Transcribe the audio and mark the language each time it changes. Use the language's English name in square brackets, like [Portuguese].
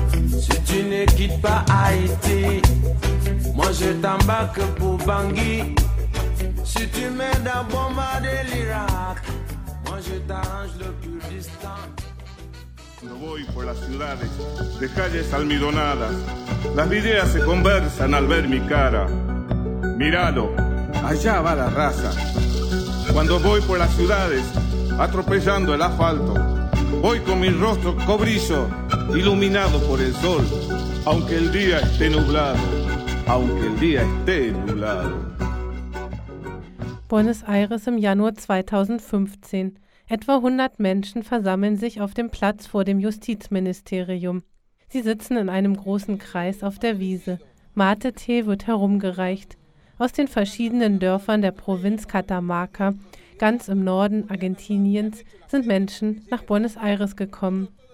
[French] Si tu ne quittes pas Haïti, moi je t'embarque pour Bangui. Si tu m'aides à bombarder l'Irak, moi je t'arrange le Kurdistan. [Spanish] Cuando voy por las ciudades, de calles almidonadas, las vidrieras se conversan al ver mi cara. Míralo, allá va la raza. Cuando voy por las ciudades, atropellando el asfalto, voy con mi rostro cobrizo, iluminado por el sol, aunque el día esté nublado, aunque el día esté nublado. [German] Buenos Aires im Januar 2015. Etwa 100 Menschen versammeln sich auf dem Platz vor dem Justizministerium. Sie sitzen in einem großen Kreis auf der Wiese. Mate-Tee wird herumgereicht. Aus den verschiedenen Dörfern der Provinz Catamarca, ganz im Norden Argentiniens, sind Menschen nach Buenos Aires gekommen.